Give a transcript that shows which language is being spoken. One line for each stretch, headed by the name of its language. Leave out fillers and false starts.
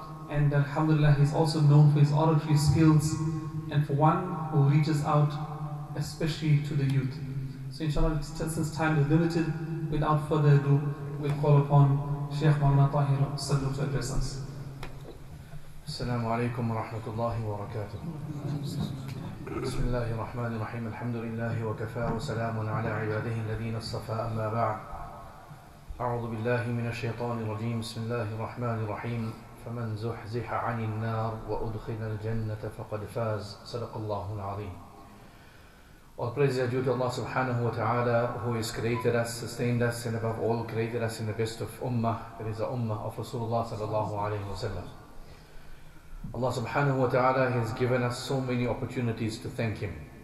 English: And alhamdulillah, he's also known for his oratory skills and for one who reaches out especially to the youth. So inshallah, since time is limited, without further ado, we'll call upon Sheikh Maulana Tahir Salloo to address us.
Arabic: Assalamu alaikum wa rahmatullahi wa barakatuh. بسم الله الرحمن الرحيم الحمد لله وكفى وسلام على عباده الذين اصطفى أما بعد أعوذ بالله من الشيطان الرجيم بسم الله الرحمن الرحيم فمن زحزح عن النار وأدخل الجنة فقد فاز صدق الله العظيم.
English: All praise and due to Allah
Arabic: subhanahu wa ta'ala,
English: who has created us, sustained us, and above all created us in the best of ummah. It is the ummah of Rasulullah
Arabic: sallallahu alayhi wa sallam.
English: Allah
Arabic: subhanahu wa ta'ala
English: has given us so many opportunities to thank Him.